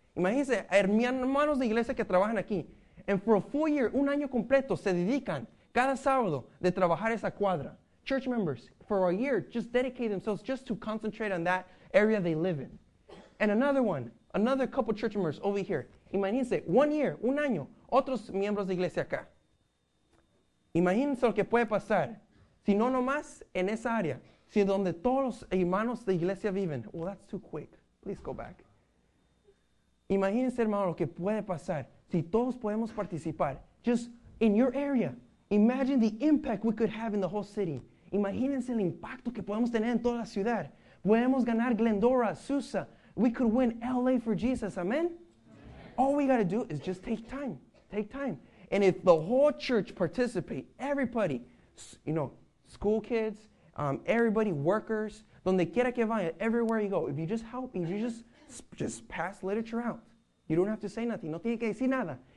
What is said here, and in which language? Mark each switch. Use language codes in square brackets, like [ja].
[es] Imagínense, hermanos de iglesia que trabajan aquí. [en] And for a full year, [es] un año completo, se dedican cada sábado de trabajar esa cuadra. [en] Church members, for a year, just dedicate themselves just to concentrate on that area they live in. And another one, another couple church members over here. [es] Imagínense, [en] one year, [es] un año, otros miembros de iglesia acá. Imagínense lo que puede pasar, si no nomás en esa área, si donde todos los hermanos de iglesia viven. [en] Well, that's too quick. Please go back. [es] Imagínense, hermano, lo que puede pasar si todos podemos participar. [en] Just in your area, imagine the impact we could have in the whole city. [es] Imagínense el impacto que podemos tener en toda la ciudad. Podemos ganar Glendora, Susa. [en] We could win LA for Jesus. Amen? All we got to do is just take time. Take time. And if the whole church participate, everybody, you know, school kids, everybody, workers, [es] donde quiera que vaya, [en] everywhere you go, if you just help, if you just pass literature out, you don't have to say nothing. [es] No tiene que decir nada.